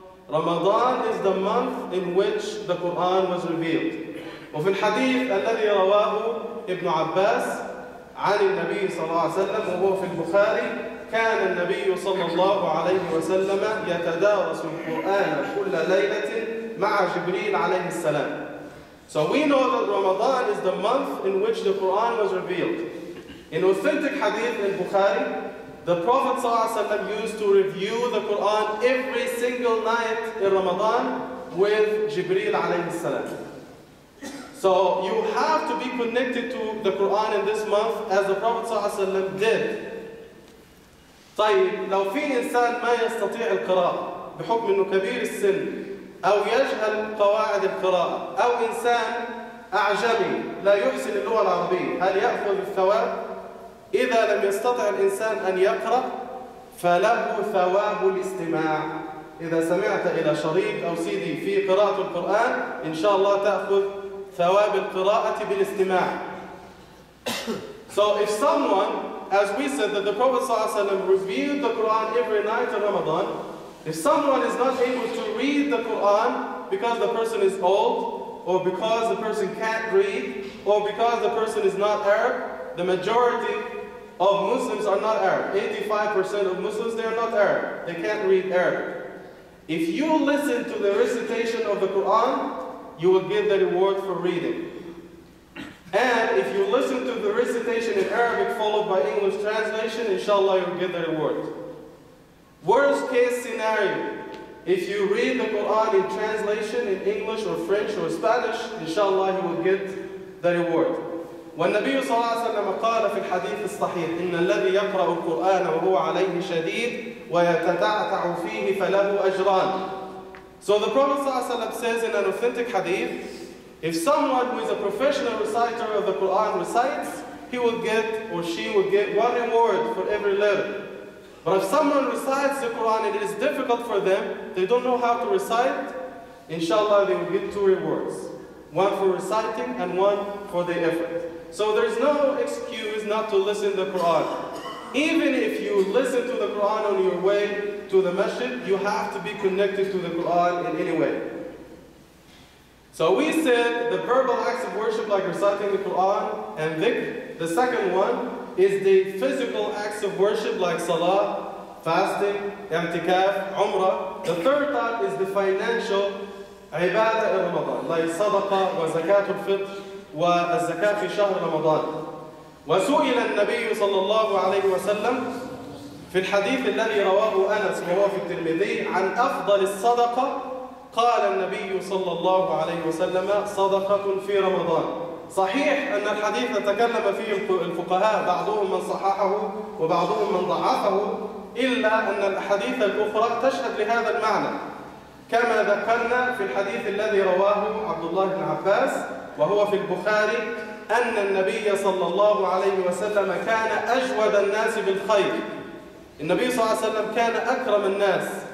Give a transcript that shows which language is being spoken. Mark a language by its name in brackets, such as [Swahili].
[English] رمضان is the month in which the Quran was revealed. [Arabic] وفي الحديث الذي رواه ابن عباس عن النبي صلى الله عليه وسلم وهو في البخاري كان النبي صلى الله عليه وسلم يتدارس القرآن كل ليلة مع جبريل عليه السلام. [English] So we know that Ramadan is the month in which the Quran was revealed. In authentic hadith in Bukhari, the Prophet صلى الله عليه وسلم used to review the Quran every single night in Ramadan with جبريل عليه السلام. So you have to be connected to the Quran in this month as the Prophet صلى الله عليه وسلم did. [Arabic] طيب لو في إنسان ما يستطيع القراءة بحكم إنه كبير السن أو يجهل قواعد القراءة أو إنسان أعجمي لا يحسن اللغة العربية هل يأخذ الثواب؟ إذا لم يستطع الإنسان أن يقرأ فله ثواب الاستماع. إذا سمعت إلى شريط أو سيدي في قراءة القرآن إن شاء الله تأخذ ثواب القراءة بالاستماع. [English] So if someone, as we said that the Prophet صلى الله عليه وسلم reviewed the Quran every night in Ramadan, if someone is not able to read the Quran because the person is old, or because the person can't read, or because the person is not Arab, the majority of Muslims are not Arab. 85% of Muslims, they are not Arab. They can't read Arabic. If you listen to the recitation of the Quran, you will get the reward for reading. And if you listen to the recitation in Arabic followed by English translation, inshallah, you will get the reward. Worst case scenario, if you read the Quran in translation in English or French or Spanish, inshallah, you will get the reward. [Arabic] والنبي صلى الله عليه وسلم قال في الحديث الصحيح إن الذي يقرأ القرآن وهو عليه شديد ويتتعتع فيه فله أجران. [English] So the Prophet صلى الله عليه وسلم says in an authentic hadith, if someone who is a professional reciter of the Quran recites, he will get or she will get one reward for every letter. But if someone recites the Quran and it is difficult for them, they don't know how to recite, inshallah they will get two rewards. One for reciting and one for the effort. So there is no excuse not to listen to the Quran. Even if you listen to the Quran on your way to the masjid, you have to be connected to the Quran in any way. So we said the verbal acts of worship like reciting the Quran and dhikr. The second one is the physical acts of worship like salah, fasting, i'tikaf, umrah. The third type is the financial ibadah in Ramadan, like sadaqah wa zakatul fitr. [Arabic] والزكاة في شهر رمضان. وسئل النبي صلى الله عليه وسلم في الحديث الذي رواه أنس وهو في الترمذي عن أفضل الصدقة قال النبي صلى الله عليه وسلم صدقة في رمضان. صحيح أن الحديث تكلم فيه الفقهاء بعضهم من صححه وبعضهم من ضعفه إلا أن الحديث الأخرى تشهد لهذا المعنى كما ذكرنا في الحديث الذي رواه عبد الله بن عباس وهو في البخاري أن النبي صلى الله عليه وسلم كان أجود الناس بالخير. النبي صلى الله عليه وسلم كان أكرم الناس